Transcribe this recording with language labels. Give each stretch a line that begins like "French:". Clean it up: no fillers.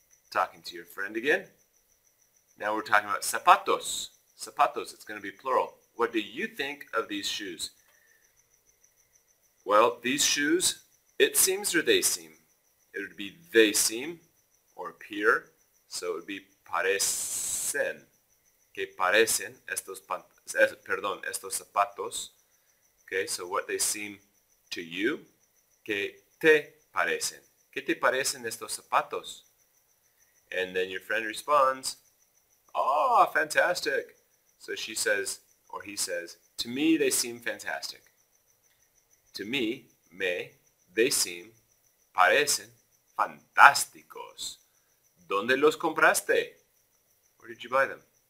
English: Talking to your friend again. Now we're talking about zapatos. Zapatos, it's going to be plural. What do you think of these shoes? Well, these shoes, it seems or they seem. It would be they seem or appear, so it would be parecen.
Spanish: Que parecen estos pant perdón, estos zapatos.
English: Okay, so what they seem to you,
Spanish: ¿qué te parecen? ¿Qué te parecen estos zapatos?
English: And then your friend responds, oh, fantastic. So she says, or he says, to me they seem fantastic. To me, me, they seem, parecen, fantásticos.
Spanish: ¿Dónde los compraste?
English: Where did you buy them?